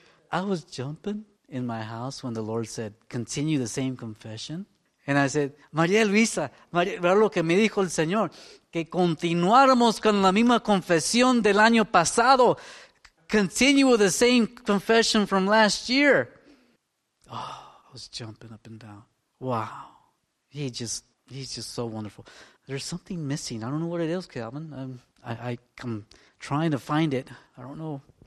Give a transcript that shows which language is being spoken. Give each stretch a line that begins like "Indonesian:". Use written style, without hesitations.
English: I was jumping in my house when the Lord said, continue the same confession.
Spanish: And I said, María Luisa, ver lo que me dijo el Señor, que continuáramos con la misma confesión del año pasado.
English: Continue with the same confession from last year. Oh, I was jumping up and down. Wow. He's just so wonderful. There's something missing. I don't know what it is, Calvin. I'm trying to find it. I don't know.